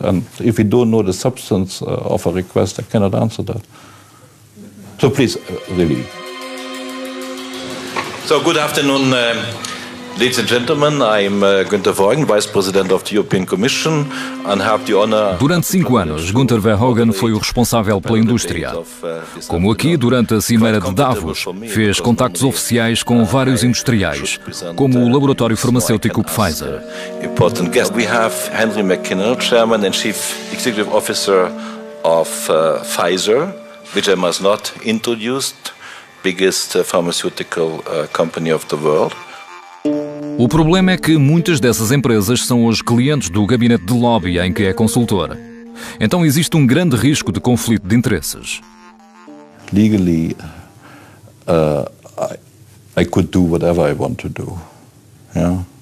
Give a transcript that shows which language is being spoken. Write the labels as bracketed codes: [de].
[en] And if you don't know the substance of a request, I cannot answer that. So please, really. So good afternoon, ladies and gentlemen. I'm Günther Verhoeven, Vice President of the European Commission, and have the honor. [pt] Durante 5 anos, Günther Verhoeven foi o responsável pela indústria. Como aqui, durante a Cimeira de Davos, fez contactos oficiais com vários industriais, como o laboratório farmacêutico Pfizer. [en] Important guest. We have Henry McKinnell, Chairman and Chief Executive Officer of Pfizer, which I must not introduce, biggest pharmaceutical company of the world. [pt] O problema é que muitas dessas empresas são hoje clientes do gabinete de lobby em que é consultor. Então existe um grande risco de conflito de interesses. [en] Legally, I could do whatever I want to do. Yeah?